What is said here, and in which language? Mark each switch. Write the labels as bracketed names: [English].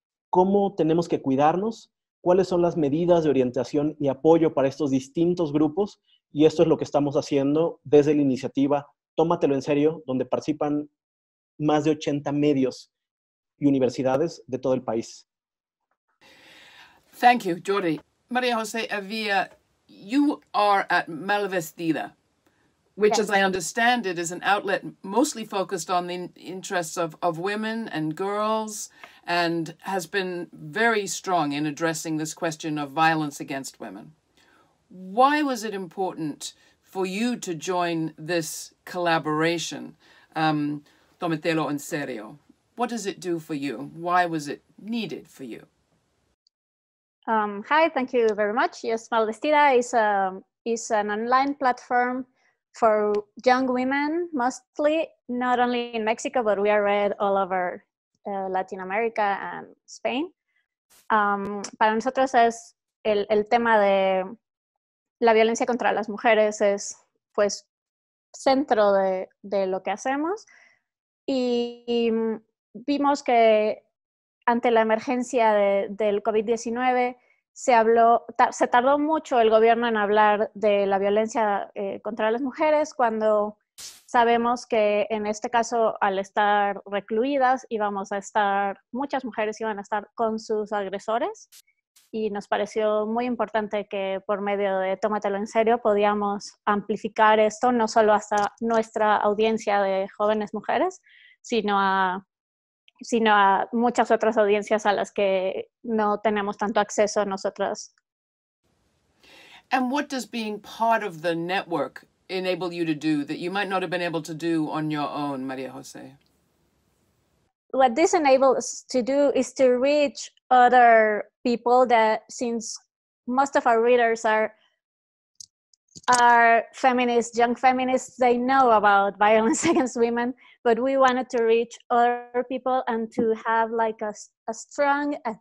[Spanish] ¿Cómo tenemos que cuidarnos? ¿Cuáles son las medidas de orientación y apoyo para estos distintos grupos? Y esto es lo que estamos haciendo desde la iniciativa Tómatelo en Serio, donde participan más de 80 medios y universidades de todo el país. [English] Thank you, Jordy. María José Evia, you are at Malvestida, which, yes, as I understand it, is an outlet mostly focused on the interests of women and girls and has been very strong in addressing this question of violence against women. Why was it important for you to join this collaboration, Tómatelo en Serio? What does it do for you? Why was it needed for you? Hi, thank you very much. Yes, Malvestida is an online platform for young women, mostly, not only in Mexico, but we are read all over Latin America and Spain. [Spanish] Para nosotros es el tema de la violencia contra las mujeres es, pues, centro de lo que hacemos. Y vimos que ante la emergencia del COVID-19, se tardó mucho el gobierno en hablar de la violencia contra las mujeres cuando sabemos que en este caso, al estar recluidas, muchas mujeres iban a estar con sus agresores. Y nos pareció muy importante que por medio de Tómatelo en Serio podíamos amplificar esto, no solo hasta nuestra audiencia de jóvenes mujeres, sino a muchas otras audiencias a las que no tenemos tanto acceso nosotras. [English] And what does being part of the network enable you to do that you might not have been able to do on your own, María José? What this enables to do is to reach other people that, since most of our readers are feminists, young feminists, they know about violence against women, but we wanted to reach other people and to have like a strong